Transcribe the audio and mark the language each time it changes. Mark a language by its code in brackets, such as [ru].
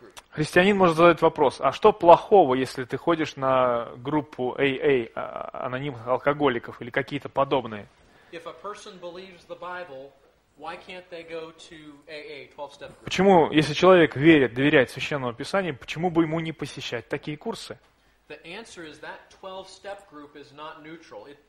[ru] Христианин может задать вопрос, а что плохого, если ты ходишь на группу AA, анонимных алкоголиков или какие-то подобные? [en] If a person believes the Bible, why can't they go to AA 12-step group? [ru] Почему, если человек верит, доверяет Священному Писанию, почему бы ему не посещать такие курсы? [en] The answer is that 12-step group is not neutral.